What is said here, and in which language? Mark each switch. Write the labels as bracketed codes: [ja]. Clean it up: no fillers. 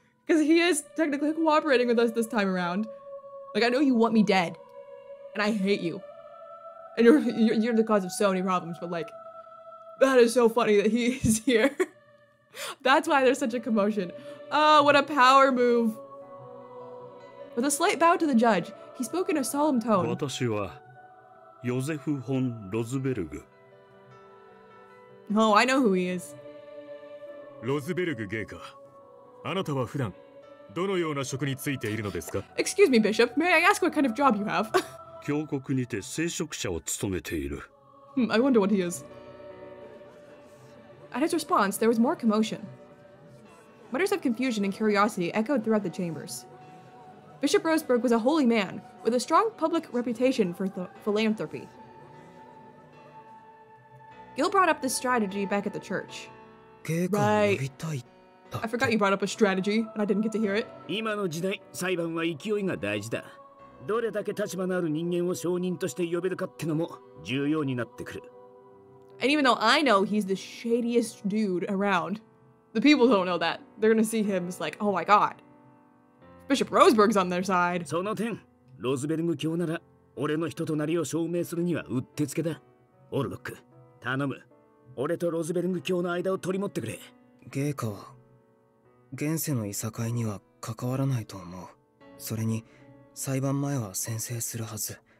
[en] Because he is technically cooperating with us this time around. Like, I know you want me dead. And I hate you. And you're the cause of so many problems. But like, that is so funny that he is here. That's why there's such a commotion. Oh, what a power move. With a slight bow to the judge, he spoke in a solemn tone. [ja] 私はヨゼフ・フォン・ロズベルグ。 [en] Oh, I know who he is. [ja] ロズベルグ芸家、あなたは普段、どのような職に就いているのですか [en] Excuse me, Bishop. May I ask what kind of job you have? [ja] 教国にて聖職者を務めている。 [en] I wonder what he is. At his response, there was more commotion. Mutters of confusion and curiosity echoed throughout the chambers. Bishop Roseburg was a holy man with a strong public reputation for philanthropy. Gil brought up this strategy back at the church. Right. I forgot you brought up a strategy and I didn't get to hear it. [ja] 今の時代、裁判は勢いが大事だ。どれだけ立場のある人間を証人として呼べるかってのも重要になってくる。 [en] And even though I know he's the shadiest dude around, the people don't know that. They're gonna see him as like, oh my god. Bishop Roseburg's on their side. [ja] その点、ロズベルグ教なら、俺の人となりを証明するにはうってつけだ。オルロック、頼む。俺とロズベルグ教の間を取り持ってくれ。ゲーカは、現世のいさかいには関わらないと思う。それに、裁判前は宣誓するはず。